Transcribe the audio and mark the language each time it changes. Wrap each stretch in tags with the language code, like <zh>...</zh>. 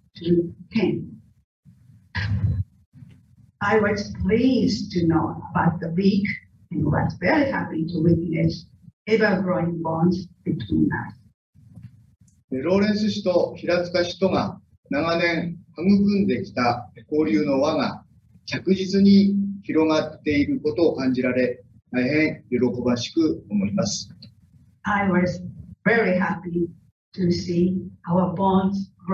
<en>To 10. I was pleased to know about the week and was very happy to witness ever-growing bonds between us.</en> <ja>ローレンス市と平塚市とが長年育んできた交流の輪が着実に広がっていることを感じられ、大変喜ばしく思います。</ja> <en>I was very happy to see our bonds.</en>